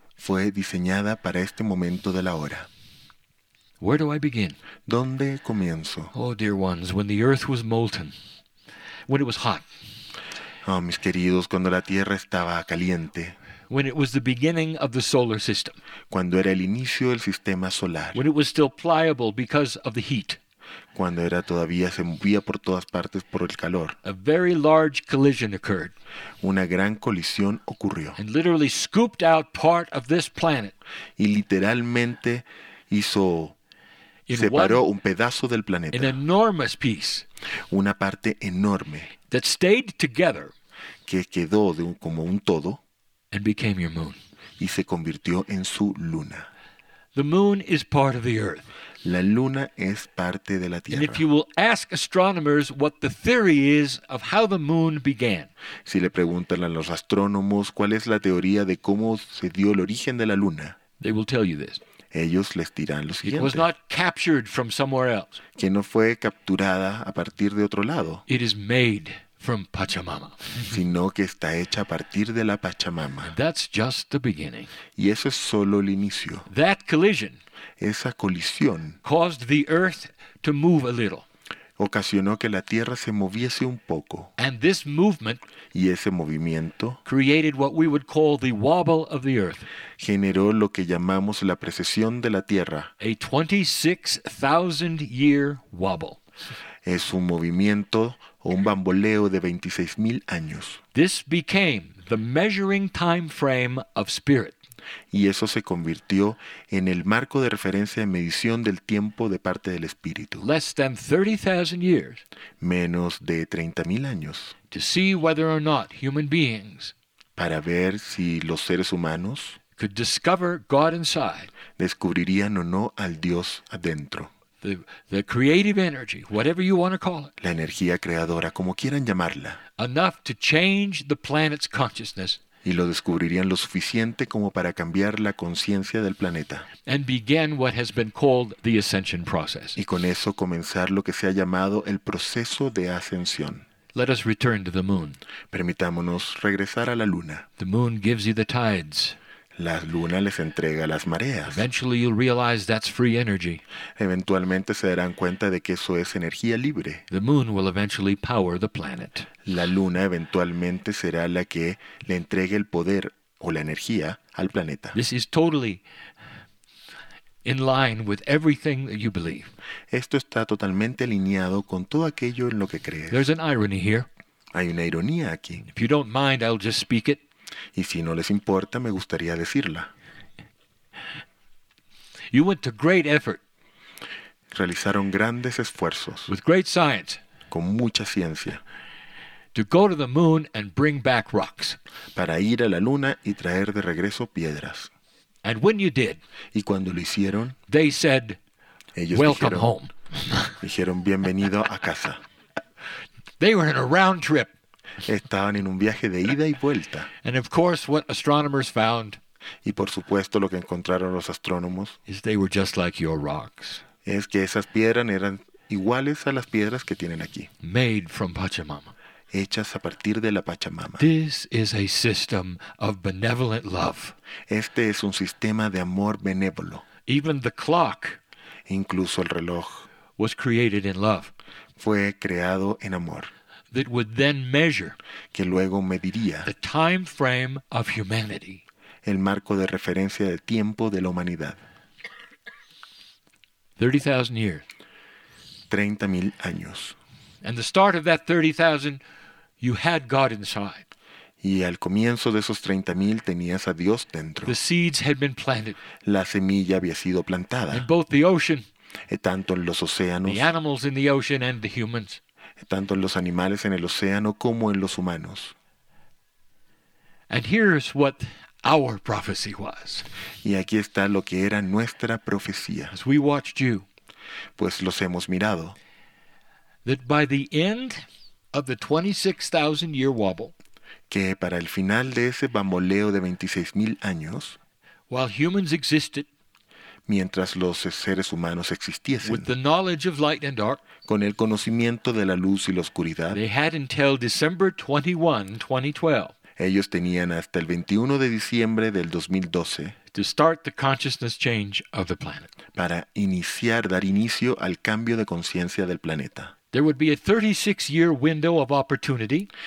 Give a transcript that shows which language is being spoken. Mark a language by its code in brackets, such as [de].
[es] Fue diseñada para este momento de la hora. [en] Where do I begin? [es] ¿Dónde comienzo? [en] Oh, dear ones, when the earth was molten, when it was hot. [es] Oh, mis queridos, cuando la tierra estaba caliente. [en] When it was the beginning of the solar system. [es] Cuando era el inicio del sistema solar. [en] When it was still pliable because of the heat. [es] Cuando era todavía se movía por todas partes por el calor. [en] A very large collision occurred. [es] Una gran colisión ocurrió. [en] And literally scooped out part of this planet. [es] Y literalmente hizo separó un pedazo del planeta. [en] An enormous piece. [es] Una parte enorme. [en] That stayed together. [es] Que quedó de un, como un todo. [en] And became your moon. [es] Y se convirtió en su luna. [en] The moon is part of the earth. [es] La luna es parte de la Tierra. [en] And if you will ask astronomers what the theory is of how the moon began. [es] Si le preguntan a los astrónomos cuál es la teoría de cómo se dio el origen de la luna. [en] They will tell you this. [es] Ellos les dirán lo siguiente. [en] It was not captured from somewhere else. [es] Que no fue capturada a partir de otro lado. [en] It is made from Pachamama. [es] Sino que está hecha a partir de la Pachamama. [en] That's just the beginning. [es] Y eso es solo el inicio. [en] That collision. [es] Esa colisión [en] caused the earth to move a little. [es] Ocasionó que la tierra se moviese un poco. [en] And this movement [es] y ese movimiento [en] created what we would call the wobble of the earth. [es] Generó lo que llamamos la precesión de la tierra. [en] A 26,000 year wobble. [es] Es un movimiento o un bamboleo de 26,000 años. [en] This became the measuring time frame of spirit. [es] Y eso se convirtió en el marco de referencia de medición del tiempo de parte del espíritu. [en] Less than 30,000 years. [es] Menos de 30,000 años. [en] To see whether or not human beings. [es] Para ver si los seres humanos [en] could discover God inside. [es] Descubrirían o no al Dios adentro. [en] The creative energy, whatever you want to call it. [es] La energía creadora, como quieran llamarla. [en] Enough to change the planet's consciousness. [es] Y lo descubrirían lo suficiente como para cambiar la conciencia del planeta. [en] And began what has been called the ascension process. [es] Y con eso comenzar lo que se ha llamado el proceso de ascensión. [en] Let us return to the moon. [es] Permitámonos regresar a la luna. [en] The moon gives you the tides. [es] La luna les entrega las mareas. [en] Eventually you'll realize that's free energy. [es] Eventualmente se darán cuenta de que eso es energía libre. [en] The moon will eventually power the planet. [es] La luna eventualmente será la que le entregue el poder o la energía al planeta. [en] This is totally in line with everything that you believe. [es] Esto está totalmente alineado con todo aquello en lo que crees. [en] There's an irony here. [es] Hay una ironía aquí. [en] If you don't mind, I'll just speak it. [es] Y si no les importa, me gustaría decirla. [en] You went to great effort. [es] Realizaron grandes esfuerzos. [en] With great science. [es] Con mucha ciencia. [en] To go to the moon and bring back rocks. [es] Para ir a la luna y traer de regreso piedras. [en] And when you did. [es] Y cuando lo hicieron. [en] They said, [es] ellos [en] welcome [es] dijeron, [en] home. [es] Dijeron, bienvenido a casa. [en] They were in a round trip. [es] Estaban en un viaje de ida y vuelta. [en] And of course, what astronomers found, [es] y por supuesto lo que encontraron los astrónomos [en] is they were just like your rocks. [es] Es que esas piedras eran iguales a las piedras que tienen aquí. [en] Made from Pachamama. [es] Hechas a partir de la Pachamama. [en] This is a system of benevolent love. [es] Este es un sistema de amor benévolo. [en] Even the clock, [es] incluso el reloj, [en] was created in love. [es] Fue creado en amor. [en] That would then measure [es] que luego mediría [en] the time frame of humanity. [es] El marco de referencia del tiempo de la humanidad. [en] 30,000 years. [es] 30,000 años. [en] And the start of that 30,000, you had God inside. [es] Y al comienzo de esos 30,000 tenías a Dios dentro. [en] The seeds had been planted. [es] La semilla había sido plantada. [en] And both the ocean, [es] tanto en los océanos, [en] the animals in the ocean and the humans. [es] Tanto en los animales en el océano como en los humanos. [en] And here's what our prophecy was. [es] Y aquí está lo que era nuestra profecía. [en] As we watched you, [es] pues los hemos mirado. [en] That by the end of the 26,000-year wobble, [es] que para el final de ese bamboleo de 26,000 años, [en] while humans existed, [es] mientras los seres humanos existiesen, [en] with the knowledge of light and dark, [es] con el conocimiento de la luz y la oscuridad, [en] they had until December 21, 2012, [es] ellos tenían hasta el 21 de diciembre del 2012 [en] to start the consciousness change of the planet. [es] Para iniciar, dar inicio al cambio de conciencia del planeta. [en] There would be a 36-year window of opportunity.